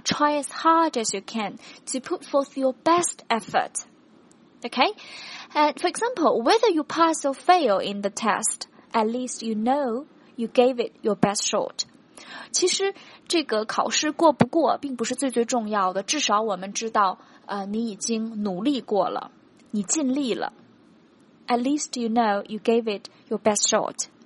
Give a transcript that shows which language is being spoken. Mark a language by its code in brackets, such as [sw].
[en] try as hard as you can to put forth your best effort. Okay? And for example, whether you pass or fail in the test,At least you know you gave it your best shot. [zh] 其实这个考试过不过并不是最最重要的，至少我们知道你已经努力过了，你尽力了。 [en] at least you know you gave it your best shot.